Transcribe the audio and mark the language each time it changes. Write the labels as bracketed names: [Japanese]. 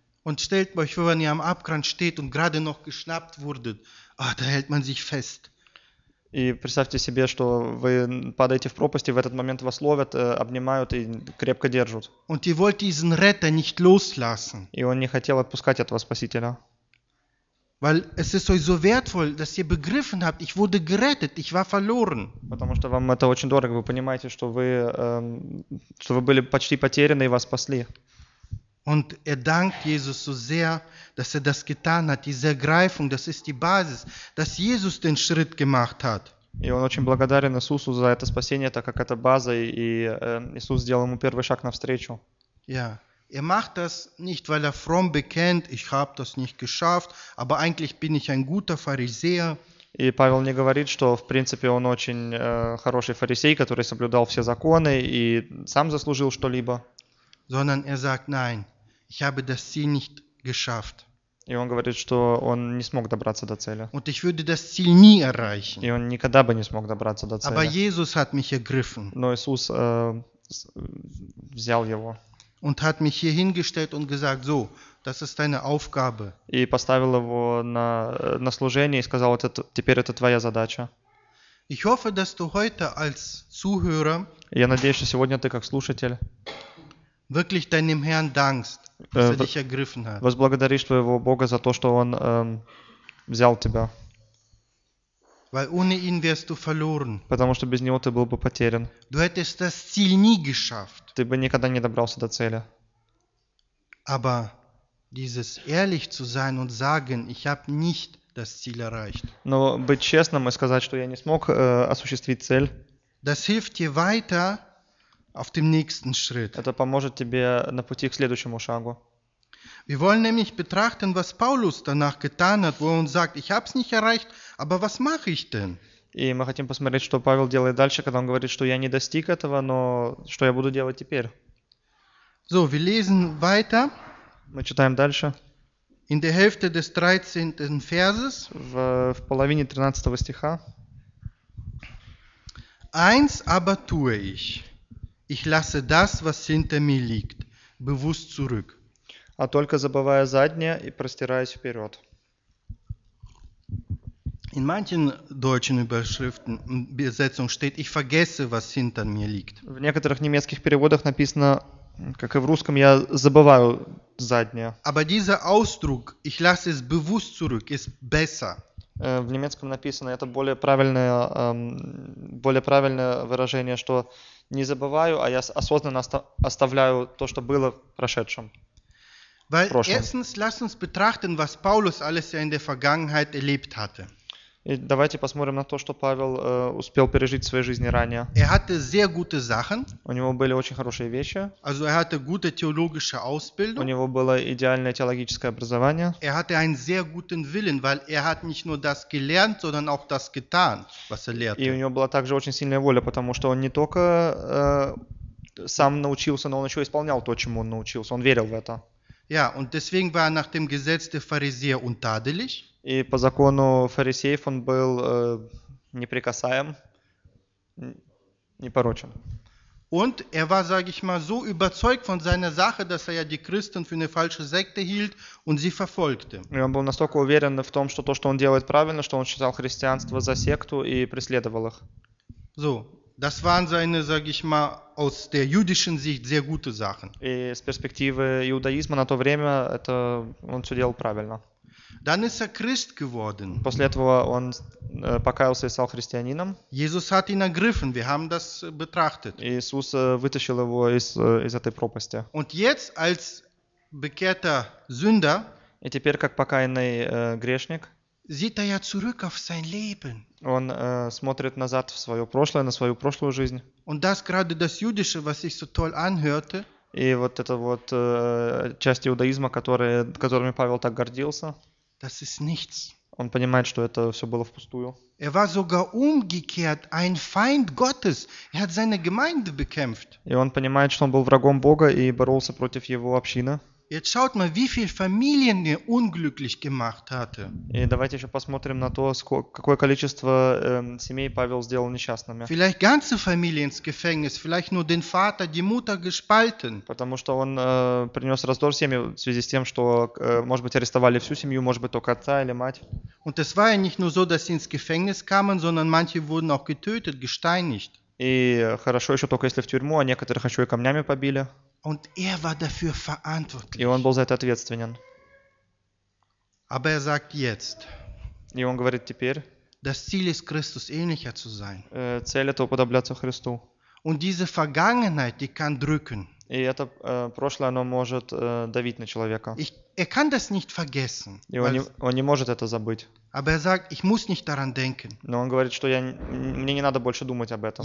[German] Und stellt euch vor, wenn ihr am Abgrund steht und gerade noch geschnappt wurdet, da hält man sich fest. [Russian] И представьте себе, что вы падаете в пропасть, и в этот момент вас ловят, обнимают и крепко держат. [German] Und ihr wollt diesen Retter nicht loslassen. [Russian] И он не хотел отпускать этого Спасителя. [German] Weil es ist euch so wertvoll, dass ihr begriffen habt, ich wurde gerettet, ich war verloren. [Russian] Потому что вам это очень дорого, вы понимаете, что вы были почти потеряны и вас спасли. [German] Und er dankt Jesus so sehr, dass er das getan hat, diese Ergreifung, das ist die Basis, dass Jesus den Schritt gemacht hat. [Russian] И он очень благодарен Иисусу за это спасение, так как это база, и Иисус сделал ему первый шаг навстречу. [German] Ja. Er macht das nicht, weil er fromm bekennt, ich habe das nicht geschafft, aber eigentlich bin ich ein guter Pharisäer. [Russian] И Павел не говорит, что в принципе он очень хороший фарисей, который соблюдал все законы и сам заслужил что-либо. [German] Sondern er sagt, nein, ich habe das Ziel nicht geschafft. [Russian] И он говорит, что он не смог добраться до цели. [German] Und ich würde das Ziel nie erreichen. [Russian] И он никогда бы не смог добраться до цели. [German] Aber Jesus hat mich ergriffen. [Russian] Но Иисус взял его. [German] Und hat mich hier hingestellt und gesagt, so, das ist deine Aufgabe. [Russian] И поставил его на служение и сказал, теперь это твоя задача. [German] Ich hoffe, dass du heute als Zuhörer, [Russian] я надеюсь, что сегодня ты как слушатель, [German] wirklich deinem Herrn dankst, dass er dich ergriffen hat. [Russian] Возблагодаришь твоего Бога за то, что он взял тебя. [German] Weil ohne ihn wärst du verloren. [Russian] Потому что без него ты был бы потерян. [German] Du hättest das Ziel nie geschafft. [Russian] Ты бы никогда не добрался до цели. [German] Aber dieses ehrlich zu sein und sagen, ich habe nicht das Ziel erreicht. [Russian] Но быть честным и сказать, что я не смог осуществить цель. [German] Das hilft dir weiter auf dem nächsten Schritt. [Russian] Это поможет тебе на пути к следующему шагу. [German] Wir wollen nämlich betrachten, was Paulus danach getan hat, wo er uns sagt, ich habe es nicht erreicht, aber was mache ich denn? [Russian] И мы хотим посмотреть, что Павел делает дальше, когда он говорит, что я не достиг этого, но что я буду делать теперь? [German] So, wir lesen weiter. [Russian] Мы читаем дальше. [German] In der Hälfte des 13. Verses. [Russian] В половине 13 стиха. [German] Eins aber tue ich. Ich lasse das, was hinter mir liegt, bewusst zurück. [Russian] А только забывая заднее и простираясь вперед. [German] In manchen deutschen Überschriften Übersetzung steht, ich vergesse, was hinter mir liegt. [Russian] В некоторых немецких переводах написано, как и в русском, я забываю заднее. [German] Aber dieser Ausdruck, ich lasse es bewusst zurück, ist besser. [Russian] В немецком написано, это более правильное выражение, что не забываю, а я осознанно оставляю то, что было в прошедшем. [German] Weil erstens, lass uns betrachten, was Paulus alles ja in der Vergangenheit erlebt hatte. [Russian] И давайте посмотрим на то, что Павел успел пережить в своей жизни ранее. [German] Er hatte sehr gute Sachen. [Russian] У него были очень хорошие вещи. [German] Also er hatte gute theologische Ausbildung. [Russian] У него было идеальное теологическое образование. [German] Er hatte einen sehr guten Willen, weil er hat nicht nur das gelernt, sondern auch das getan, was er lehrte. [Russian] И у него была также очень сильная воля, потому что он не только сам научился, но он еще исполнял то, чему он научился. Он верил в это. [German] Ja, und deswegen war er nach dem Gesetz der Pharisäer untadelig. [Russian] И по закону фарисеев он был неприкасаем, непорочен. [German] Und er war, sage ich mal, so überzeugt von seiner Sache, dass er ja die Christen für eine falsche Sekte hielt und sie verfolgte. [Russian] И он был настолько уверен в том, что то, что он делает правильно, что он считал христианство за секту и преследовал их. [German] So, das waren seine, sage ich mal, aus der jüdischen Sicht sehr gute Sachen. [Russian] И с перспективы иудаизма на то время это он все делал правильно. [German] Dann ist er Christ geworden. [Russian] После этого он покаялся и стал христианином. [German] Jesus hat ihn ergriffen. Wir haben das betrachtet. [Russian] Иисус вытащил его из этой пропасти. [German] Und jetzt als bekehrter Sünder. [Russian] И теперь как покаянный грешник. [German] Sieht er ja zurück auf sein Leben. [Russian] Он смотрит назад в свое прошлое, на свою прошлую жизнь. [German] Und das gerade das Jüdische, was sich so toll anhörte. [Russian] И вот эта вот часть иудаизма, которыми Павел так гордился. [German] Das ist nichts. [Russian] Он понимает, что это все было впустую. [German] Er war sogar umgekehrt, ein Feind Gottes. Er hat seine Gemeinde bekämpft. [Russian] И он понимает, что он был врагом Бога и боролся против его общины. [German] Jetzt schaut mal, wie viele Familien er unglücklich gemacht hatte. [Russian] И давайте еще посмотрим на то, какое количество семей Павел сделал несчастными. [German] Vielleicht ganze Familien ins Gefängnis, vielleicht nur den Vater, die Mutter gespalten. [Russian] Потому что он принес раздор семьи в связи с тем, что, может быть, арестовали всю семью, может быть, только отца или мать. [German] Und es war ja nicht nur so, dass sie ins Gefängnis kamen, sondern manche wurden auch getötet, gesteinigt. [Russian] И хорошо еще только если в тюрьму, а некоторых еще и камнями побили. [German] Und er war dafür verantwortlich. [Russian] И он был за это ответственен. [German] Aber er sagt jetzt, [Russian] и он говорит теперь, [German] das Ziel ist, Christus ähnlicher zu sein. [Russian] Цель это уподобляться Христу. [German] Und diese Vergangenheit, die kann drücken. [Russian] И это прошлое, оно может давить на человека. [German] Er kann das nicht vergessen. [Russian] И он не может это забыть. [German] Aber er sagt, ich muss nicht daran denken. [Russian] Но он говорит, что мне не надо больше думать об этом.